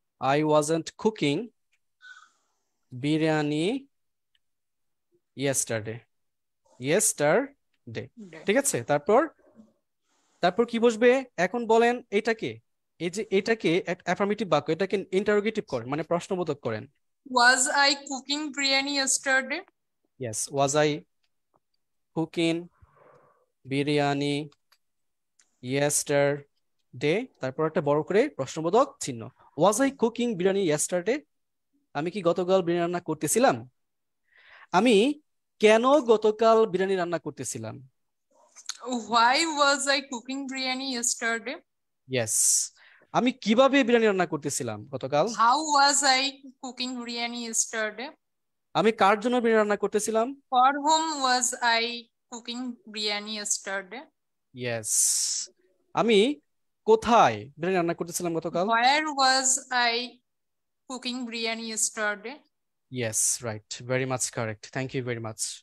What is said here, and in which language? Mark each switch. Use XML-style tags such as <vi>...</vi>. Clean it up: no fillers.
<en>I wasn't cooking biryani yesterday, yesterday,</en> <bn>ঠিক আছে, তারপর তারপর কি বসবে? এখন বলেন এটাকে, এই যে এটাকে অ্যাফার্মেটিভ বাক্য, এটাকে ইন্টারোগেটিভ করেন, মানে প্রশ্নবোধক করেন।</bn> <en>Was I cooking biryani yesterday? Yes. Was I cooking biryani yesterday?</en> <bn>তারপর একটা বড় করে প্রশ্নবোধক চিহ্ন।</bn> <en>Was I cooking biryani yesterday?</en> <bn>আমি কি গতকাল বিরিয়ানি রান্না করতেছিলাম? আমি কেন গতকাল বিরিয়ানি রান্না করতেছিলাম?</bn> <en>Why was I cooking biryani yesterday? Yes.</en> <bn>আমি কিভাবে বিরিয়ানি রান্না করতেছিলাম গতকাল?</bn> <en>How was I cooking biryani yesterday?</en> <bn>আমি কার জন্য বিরিয়ানি রান্না করতেছিলাম?</bn> <en>For whom was I cooking biryani yesterday? Yes.</en> <bn>আমি কোথায় বিরিয়ানি রান্না করতেছিলাম গতকাল?</bn> <en>Where was I cooking biryani yesterday? Yes, right. Very much correct. Thank you very much.</en>